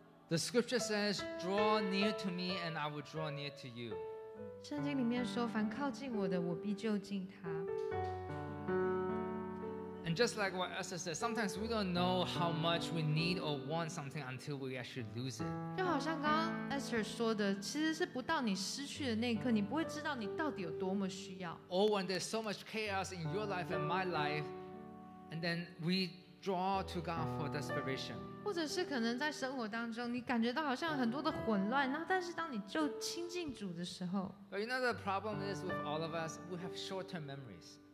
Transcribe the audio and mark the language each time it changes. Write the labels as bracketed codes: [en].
[en] The scripture says, "Draw near to me, and I will draw near to you." [zh] 圣经里面说，凡靠近我的，我必就近他。 [en] And just like what Esther said, sometimes we don't know how much we need or want something until we actually lose it. [zh] 就好像刚刚 Esther 说的，其实是不到你失去的那一刻，你不会知道你到底有多么需要。 [en] Or when there's so much chaos in your life and my life, and then we draw to God for desperation. [zh] 或者是可能在生活当中，你感觉到好像很多的混乱，然后但是当你就亲近主的时候 [en] ，But you know the problem is with all of us, we have short-term memories.